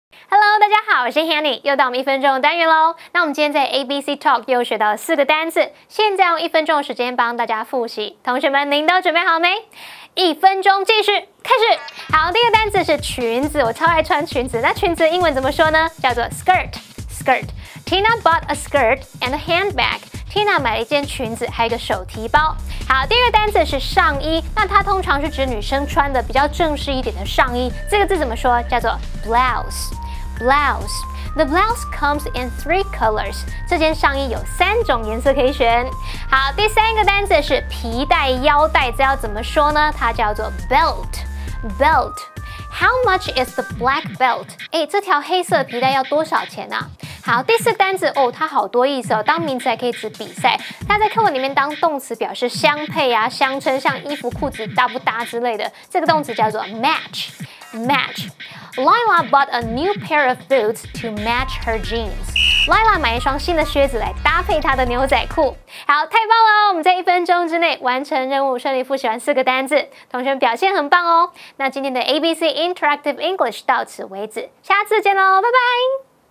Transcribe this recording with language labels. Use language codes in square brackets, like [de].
[zh] Hello， 大家好，我是 Hanny， 又到我们一分钟的单元喽。那我们今天在 ABC Talk 又学到了四个单字，现在用一分钟的时间帮大家复习。同学们，您都准备好没？一分钟继续，开始。好，第一个单字是裙子，我超爱穿裙子。那裙子英文怎么说呢？叫做 skirt。 [en] Tina bought a skirt and a handbag. [zh] Tina 买了一件裙子，还有一个手提包。好，第二个单字是上衣，那它通常是指女生穿的比较正式一点的上衣。这个字怎么说？叫做 blouse。Blouse. [en] The blouse comes in 3 colors. [zh] 这件上衣有三种颜色可以选。好，第三个单字是皮带、腰带，这要怎么说呢？它叫做 belt. Belt. [en] How much is the black belt? [zh] 哎，这条黑色皮带要多少钱啊？好，第四个单字哦，它好多意思哦。当名词还可以指比赛，它在课文里面当动词表示相配啊、相称，像衣服、裤子搭不搭之类的。这个动词叫做 match. [en] Match. Lila bought a new pair of boots to match her jeans. [zh] Lila 买一双新的靴子来搭配她的牛仔裤。好，太棒了！我们在一分钟之内完成任务，顺利复习完四个单字，同学们表现很棒哦。那今天的 ABC Interactive English 到此为止，下次见喽，拜拜。